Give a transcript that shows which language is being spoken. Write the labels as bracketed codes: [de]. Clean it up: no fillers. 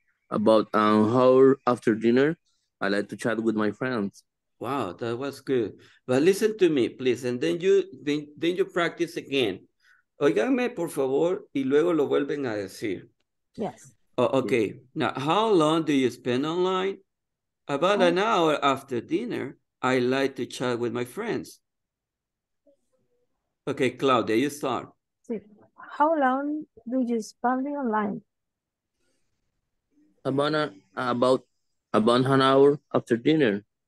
[en] About how after dinner, I like to chat with my friends. Wow, that was good. But listen to me, please, and then you practice again. [es] Oiganme, por favor, y luego lo vuelven a decir. [en] Yes. Oh, okay. Yes. Now, how long do you spend online? About an hour after dinner, I like to chat with my friends. Okay, Claudia, you start. How long do you spend online? About an hour after dinner.